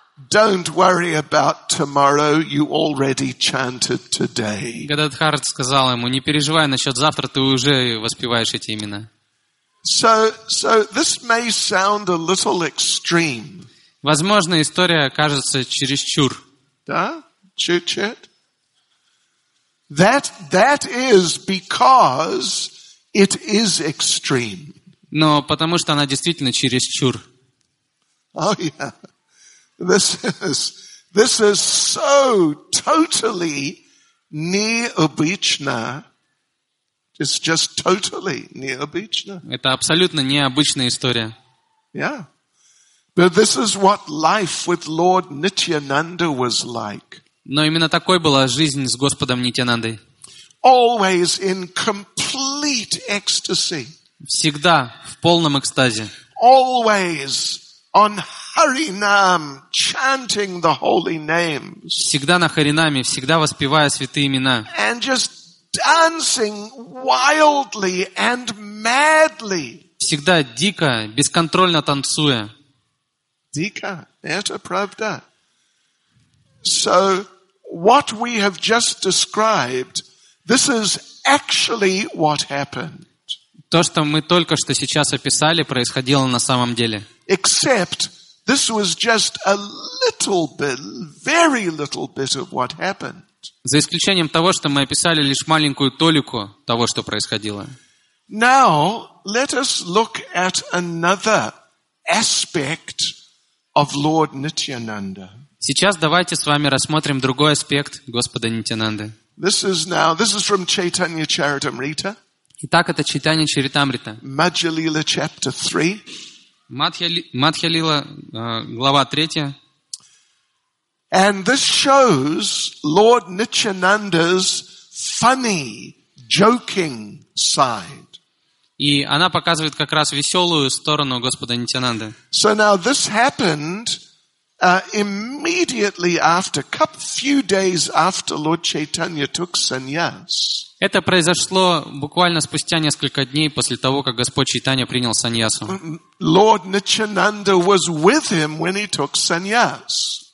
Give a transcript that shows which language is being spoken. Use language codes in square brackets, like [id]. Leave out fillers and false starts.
[en] Don't worry about tomorrow, you already chanted today. [ru] Гададхар сказал ему: "Не переживай насчет завтра, ты уже воспеваешь эти имена." [en] So this may sound a little extreme. [ru] Возможно, история кажется чересчур. Да? Чуть-чуть? [en] That is because it is extreme. [ru] Но потому что она действительно чересчур. [en] Oh, yeah. This is so totally [ru] необычно. [en] It's just totally [ru] необычно. Это абсолютно необычная история. [en] Yeah. But this is what life with Lord Nityananda was like. [ru] Но именно такой была жизнь с Господом Нитянандой. [en] Always in complete ecstasy. [ru] Всегда в полном экстазе. [en] Always on Харинам, chanting the holy names. [ru] Всегда на Харинаме, всегда воспевая святые имена. [en] And just dancing wildly and madly. [ru] Всегда дико, бесконтрольно танцуя. Дико, это правда. [en] So, what we have just described, this is actually what happened. [ru] То, что мы только что сейчас описали, происходило на самом деле. [en] Except, this was just a little bit, very little bit of what happened. [ru] За исключением того, что мы описали лишь маленькую толику того, что происходило. [en] Now, let us look at another aspect of Lord Nityananda. [ru] Сейчас давайте с вами рассмотрим другой аспект Господа Нитянанды. [en] This is from Chaitanya Charitamrita. [ru] Итак, это Чайтанья Чаритамрита. [en] Madhyalila chapter 3. [ru] Madhyalila, глава 3. [en] And this shows Lord Nityananda's funny, joking side. [ru] И она показывает как раз веселую сторону Господа Нитянанды. [en] So now this happened immediately after, a few days after Lord Chaitanya took sannyas. [ru] Это произошло буквально спустя несколько дней после того, как Господь Чайтанья принял саньясу. [en] Lord Nityananda was with him when he took sannyas.